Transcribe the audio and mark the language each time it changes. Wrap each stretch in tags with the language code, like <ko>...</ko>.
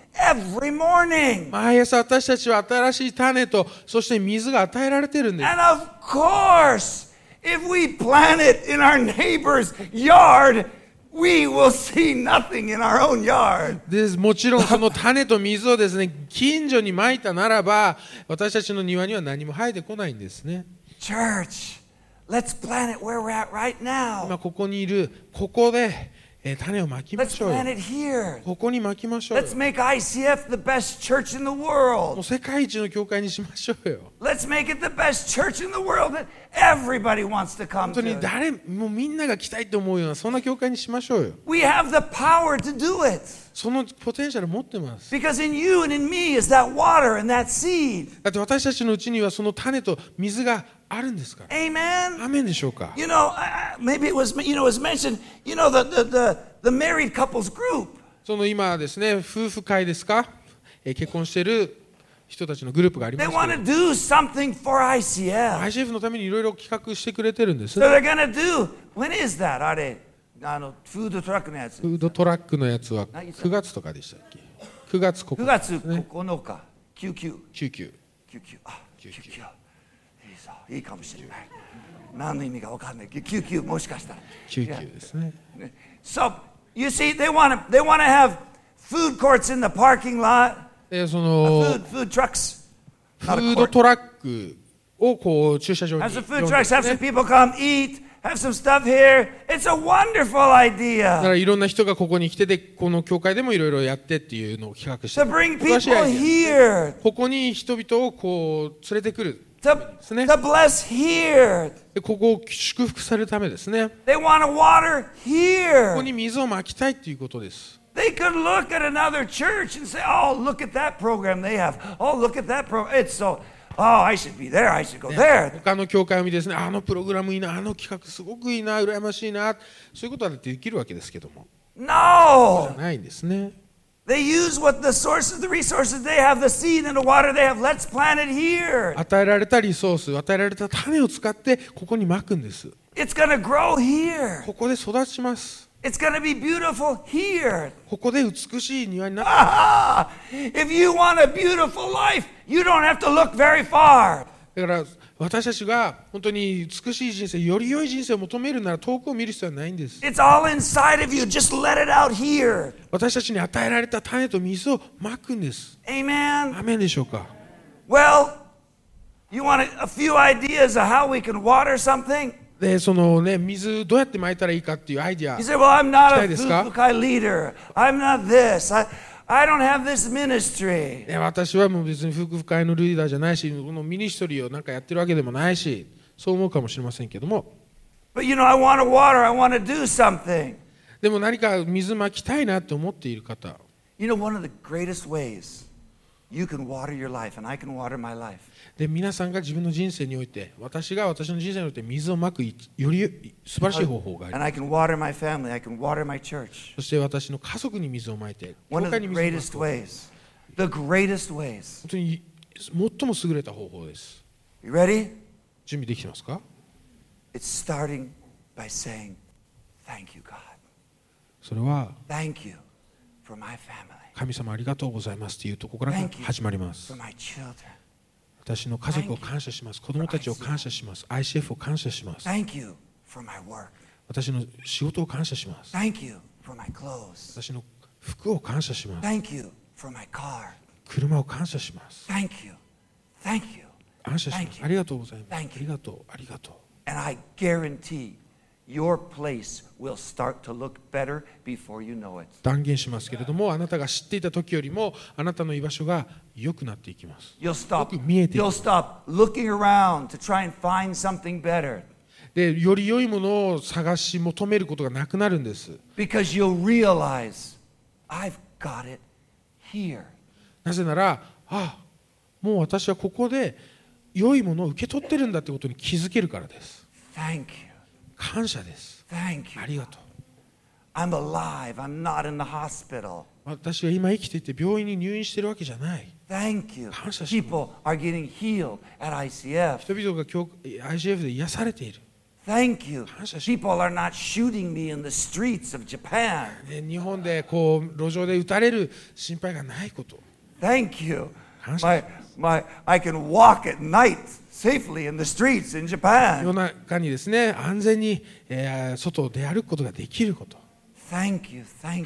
<en>Every morning.</en> <ja>毎朝私たちは新しい種とそして水が与えられているんです。</ja> <en>And of course, if we plant it in our neighbor's yard, we will see nothing in our own yard.</en> <ja>です。もちろんその種と水をですね、近所に撒いたならば、私たちの庭には何も生えてこないんですね。</ja> <en>Church, let's plant it where we're at right now.</en> <ja>今ここにいるここで。種をまきましょう。</ja> <en>Let's plant it here.</en> <ja>ここにまきましょう。</ja> <en>Let's make ICF the best church in the world.</en> <ja>もう世界一の教会にしましょうよ。</ja> <en>Let's make it the best church in the world that everybody wants to come to.</en> <ja>本当に誰もみんなが来たいと思うようなそんな教会にしましょうよ。</ja> <en>We have the power to do it.</en> <ja>そのポテンシャル持ってます。</ja> <en>Because in you and in me is that water and that seed.</en> <ja>だって私たちのうちにはその種と水があるんですか。</ja> <en>Amen.</en> <ja>アーメンでしょうか。</ja> <en>You know, maybe it was, you know, it was mentioned, you know, the married couples group.</en> <ja>その今ですね、夫婦会ですか、結婚してる人たちのグループがありますけど。</ja> <en>They want to do something for ICF.</en> <ja>ICF のためにいろいろ企画してくれてるんです。</ja> <en>So they're gonna do. When is that?</en> <ja>あれ、あのフードトラックのやつ。フードトラックのやつは9月とかでしたっけ？ 9月9日。 9月9日。九九。九九。九九。九九。いいかもしれない。何の意味か分かんない。救急もしかしたら。救急ですね。</ja> <en>So you see, they want to have food courts in the parking lot.</en> <ja>その</ja> <en>food trucks.</en> <ja>フードトラックをこう駐車場に。</ja> <en>Have some food trucks. Have some people come eat. Have some stuff here. It's a wonderful idea.</en> <ja>だからいろんな人がここに来てて、この教会でもいろいろやってっていうのを企画して。</ja> <en>To bring people here.</en> <ja>ここに人々をこう連れてくる。</ja> <en>To bless here.</en> <ja>ここを祝福されるためですね。</ja> <en>They want to water here.</en> <ja>ここに水をまきたいということです。</ja> <en>They could look at another church and say, "Oh, look at that program they have. Oh, look at that program. It's so, oh, I should be there. I should go there."</en> <ja>他の教会を見ですね、あのプログラムいいな、あの企画すごくいいな、羨ましいな、そういうことはできるわけですけども。</ja> <en>No.</en> <ja>ないんですね。</ja> <en>They use what the sources, the resources they have, the seed and the water they have. Let's plant it here.</en> <ja>与えられたリソース、与えられた種を使ってここに撒くんです。</ja> <en>It's gonna grow here.</en> <ja>ここで育ちます。</ja> <en>It's gonna be beautiful here.</en> <ja>ここで美しい庭になる。</ja> <en>If you want a beautiful life, you don't have to look very far.</en> <ja>だから私たちが本当に美しい人生、より良い人生を求めるなら遠くを見る必要はないんです。</ja> <en>It's all inside of you. Just let it out here.</en> <ja>私たちに与えられた種と水をまくんです。</ja> <en>Amen.</en> <ja>アーメンでしょうか。</ja> <en>Well, you want a few ideas of how we can water something?</en> <ja>で、そのね、水どうやってまいたらいいかっていうアイディア。</ja> <en>You say, well, I'm not a Fukai leader. I'm not this. I don't have this ministry.</en> <ja>私はもう別に夫婦会のリーダーじゃないし、このミニストリーをなんかやってるわけでもないし、そう思うかもしれませんけども。</ja> <en>But you know, I want to water. I want to do something.</en> <ja>でも何か水まきたいなって思っている方。</ja> <en>You know, one of the greatest ways you can water your life and I can water my life.</en> <ja>で、皆さんが自分の人生において、私が私の人生において水をまくより素晴らしい方法があります。</ja> <en>And I can water my family. I can water my church.</en> <ja>そして私の家族に水をまいて、教会に水をまく。</ja> <en>One of the greatest ways. The greatest ways.</en> <ja>本当に最も優れた方法です。</ja> <en>You ready?</en> <ja>準備できてますか?</ja> <en>It's starting by saying, thank you, God.</en> <ja>それは、</ja> <en>Thank you for my family.</en> <ja>神様ありがとうございますというところから始まります。</ja> <en>Thank you for my children.</en> <ja>私の家族を感謝します。子供たちを感謝します。 ICF を感謝します。</ja> <en>Thank you for my work.</en> <ja>私の仕事を感謝します。</ja> <en>Thank you for my clothes.</en> <ja>私の服を感謝します。</ja> <en>Thank you for my car.</en> <ja>車を感謝します。</ja> <en>Thank you. Thank you.</en> <ja>感謝します。ありがとうございます。ありがとう。ありがとう。</ja> <en>And I guarantee your place will start to look better before you know it.</en> <ja>断言しますけれども、あなたが知っていた時よりも、あなたの居場所が良くなっていきます。</ja> <en>You'll stop.</en> <ja>よく見えていく。</ja> <en>You'll stop looking around to try and find something better.</en> <ja>で、より良いものを探し求めることがなくなるんです。</ja> <en>Because you'll realize, I've got it here.</en> <ja>なぜなら、ああ、もう私はここで良いものを受け取ってるんだってことに気づけるからです。</ja> <en>Thank you.</en> <ja>感謝です。</ja> <en>Thank you.</en> <ja>ありがとう。</ja> <en>I'm alive. I'm not in the hospital.</en> <ja>私は今生きていて病院に入院してるわけじゃない。</ja> <en>Thank you.</en> <ja>感謝します。</ja> <en>People are getting healed at ICF.</en> <ja>人々が ICF で癒されている。</ja> <en>Thank you.</en> <ja>感謝します。</ja> <en>People are not shooting me in the streets of Japan.</en> <ja>日本でこう路上で撃たれる心配がないこと。</ja> <en>Thank you.</en> <ja>感謝します。</ja> <en>I can walk at night. Safely in the streets in Japan.</en> <ja>夜中にですね、安全に、外を出歩くことができること。</ja> <en>Thank you, thank you.</en>